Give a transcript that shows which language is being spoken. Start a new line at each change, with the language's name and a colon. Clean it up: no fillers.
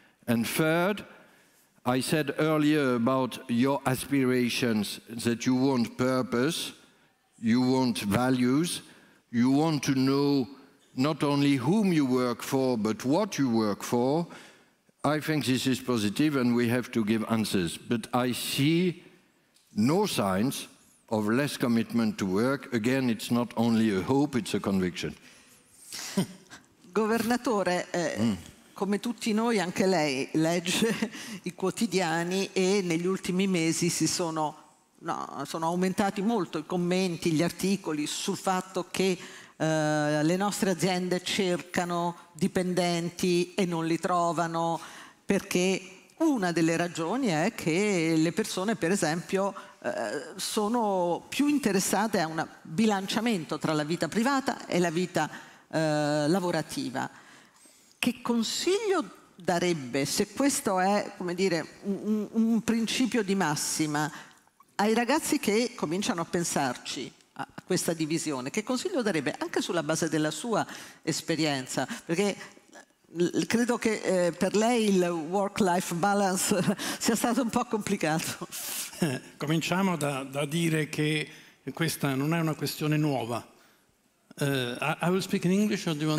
English: And third, I said earlier about your aspirations, that you want purpose, you want values, you want to know not only whom you work for, but what you work for. I think this is positive, and we have to give answers. But I see no signs of less commitment to work. Again, it's not only a hope, it's a conviction.
Italian: Governatore, come tutti noi, anche lei legge i quotidiani e negli ultimi mesi sono aumentati molto i commenti, gli articoli sul fatto che le nostre aziende cercano dipendenti e non li trovano, perché una delle ragioni è che le persone, per esempio, sono più interessate a un bilanciamento tra la vita privata e la vita lavorativa. Che consiglio darebbe, se questo è, come dire, un principio di massima, ai ragazzi che cominciano a pensarci a questa divisione? Che consiglio darebbe, anche sulla base della sua esperienza? Perché credo che per lei il work-life balance sia stato un po' complicato. Cominciamo da dire che questa non è una questione nuova.
English: I will speak in English or do you want?